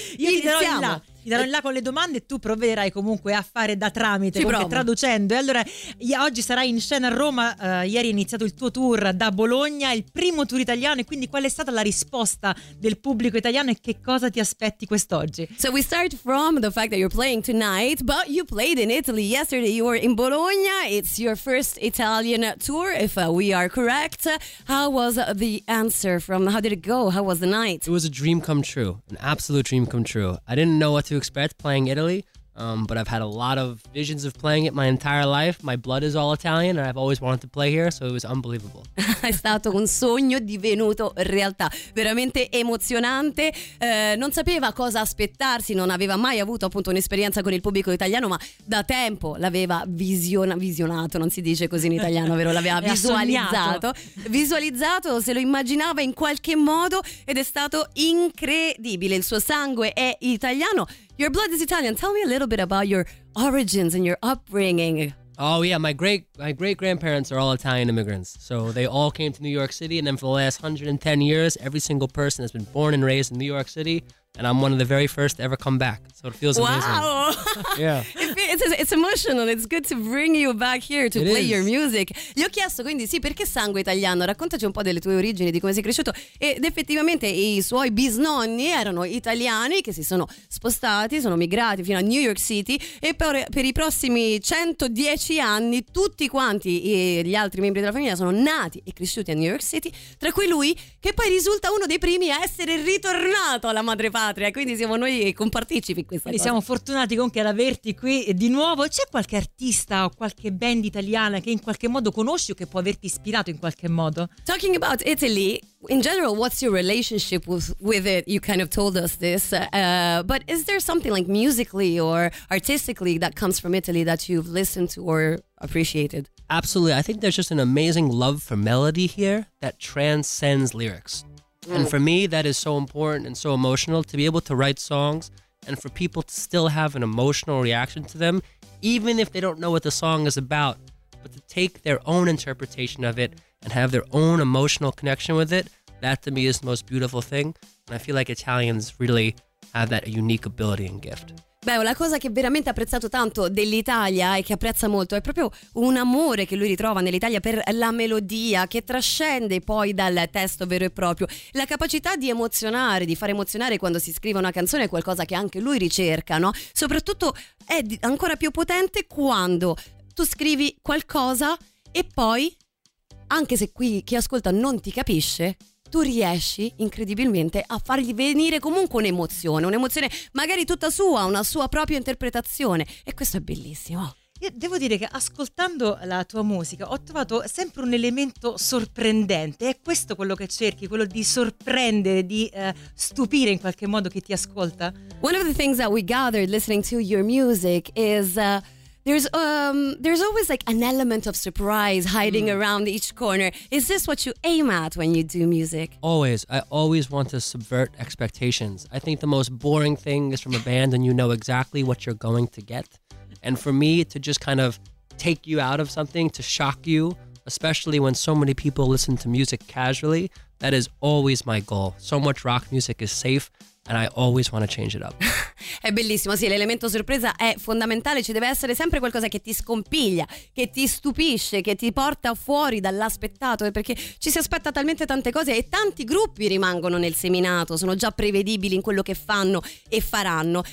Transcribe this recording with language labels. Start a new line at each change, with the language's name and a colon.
Italian: Iniziamo. Ti darò in là con le domande e tu provvederai comunque a fare da tramite, traducendo. E allora, oggi sarai in scena a Roma, ieri è iniziato il tuo tour da Bologna, il primo tour italiano, e quindi qual è stata la risposta del pubblico italiano e che cosa ti aspetti quest'oggi?
English: So we start from the fact that you're playing tonight, but you played in Italy yesterday, you were in Bologna, it's your first Italian tour, if we are correct. How was the answer from, how did it go, how was the night? It was a dream come true, an absolute dream come true. I didn't know what to expect playing Italy, but I've had a lot of visions of playing it my entire life. My blood is all Italian and I've always wanted to play here, so it was unbelievable.
Italian: È stato un sogno divenuto realtà, veramente emozionante. Non sapeva cosa aspettarsi, non aveva mai avuto appunto un'esperienza con il pubblico italiano, ma da tempo l'aveva visionato, non si dice così in italiano, vero? L'aveva visualizzato, se lo immaginava in qualche modo, ed è stato incredibile. Il suo sangue è italiano.
English: Your blood is Italian. Tell me a little bit about your origins and your upbringing. Oh yeah, my great grandparents are all Italian immigrants. So they all came to New York City, and then for the last 110 years, every single person has been born and raised in New York City. And I'm one of the very first to ever come back. So it feels amazing. Wow. Yeah. It's emotional. It's good to bring you back here to play your music.
Italian: Gli ho chiesto quindi, sì, perché sangue italiano? Raccontaci un po' delle tue origini, di come sei cresciuto. Ed effettivamente i suoi bisnonni erano italiani che si sono spostati, sono migrati fino a New York City. E per i prossimi 110 anni tutti quanti gli altri membri della famiglia sono nati e cresciuti a New York City. Tra cui lui, che poi risulta uno dei primi a essere ritornato alla madre patria, quindi siamo noi compartecipi in questa cosa. Siamo fortunati comunque ad averti qui di nuovo. C'è qualche artista o qualche band italiana che in qualche modo conosci o che può averti ispirato in qualche modo?
English: Talking about Italy, in general, what's your relationship with it? You kind of told us this, but is there something like musically or artistically that comes from Italy that you've listened to or appreciated? Absolutely. I think there's just an amazing love for melody here that transcends lyrics. And for me, that is so important and so emotional, to be able to write songs and for people to still have an emotional reaction to them, even if they don't know what the song is about, but to take their own interpretation of it and have their own emotional connection with it, that to me is the most beautiful thing. And I feel like Italians really have that unique ability and gift.
Italian: Beh, la cosa che veramente ha apprezzato tanto dell'Italia e che apprezza molto è proprio un amore che lui ritrova nell'Italia per la melodia, che trascende poi dal testo vero e proprio. La capacità di emozionare, di far emozionare quando si scrive una canzone, è qualcosa che anche lui ricerca, no? Soprattutto è ancora più potente quando tu scrivi qualcosa e poi, anche se qui chi ascolta non ti capisce, tu riesci incredibilmente a fargli venire comunque un'emozione magari tutta sua, una sua propria interpretazione, e questo è bellissimo. Io devo dire che ascoltando la tua musica ho trovato sempre un elemento sorprendente. È questo quello che cerchi, quello di sorprendere, di stupire in qualche modo chi ti ascolta?
English: One of the things that we gathered listening to your music is there's always like an element of surprise hiding around each corner. Is this what you aim at when you do music? Always. I always want to subvert expectations. I think the most boring thing is from a band and you know exactly what you're going to get. And for me, to just kind of take you out of something, to shock you, especially when so many people listen to music casually, that is always my goal. So much rock music is safe and I always want to change it up.
Italian: È bellissimo, sì, l'elemento sorpresa è fondamentale, ci deve essere sempre qualcosa che ti scompiglia, che ti stupisce, che ti porta fuori dall'aspettato, perché ci si aspetta talmente tante cose e tanti gruppi rimangono nel seminato, sono già prevedibili in quello che fanno e faranno.